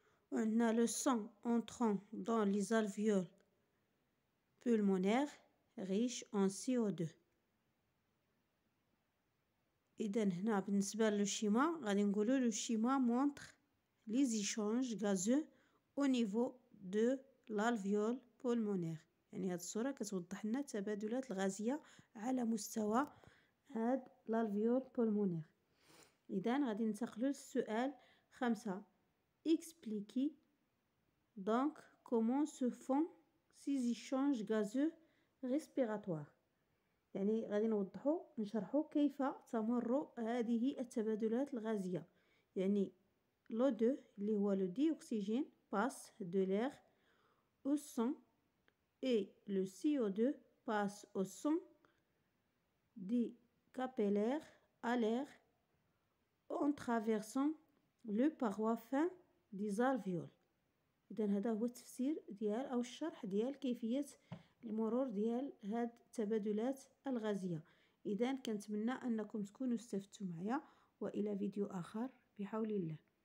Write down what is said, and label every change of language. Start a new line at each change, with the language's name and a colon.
French: On a le sang entrant dans les alvéoles pulmonaires riches en CO2. Et dans le schéma, le schéma montre les échanges gazeux au niveau de l'alvéole pulmonaire.
Arabic: يعني هذه الصورة كتوضح لنا التبادلات الغازية على مستوى هذا الالفيول بولمونير. اذا غادي ننتقلوا للسؤال 5.
French: اكسبليكي Donc, comment se font ces échanges gazeux respiratoires ?
Arabic: يعني غادي نوضحو نشرحو كيف تمر هذه التبادلات الغازية. يعني
French: l'O2
Arabic: اللي هو
French: le dioxygène passe de l'air au sang et le CO2 passe au sang des capillaires à l'air en traversant le paroi fin des alvéoles.
Arabic: إذن هذا هو التفسير ديال أو الشرح ديال كيفية المرور ديال هاد التبادلات الغازية. إذن كنتمنى أنكم تكونوا استفدتم معي، وإلى فيديو آخر بحول الله.